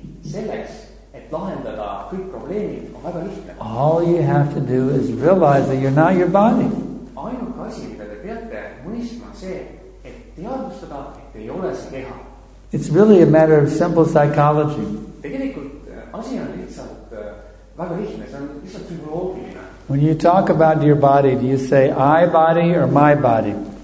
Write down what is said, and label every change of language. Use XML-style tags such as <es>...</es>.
<et>Selleks, et lahendada kõik probleemid, on väga lihtne.</et> <en>All you have to do is realize that you're not your body.</en> <et>Ainult asi, mida te peate mõistma, on see, et teadustada, et ei ole see keha.</et> <en>It's really a matter of simple psychology.</en> <et>Tegelikult asi on lihtsalt väga lihtne, see on lihtsalt psühholoogiline.</et> <en>When you talk about your body, do you say I body or my body?</en>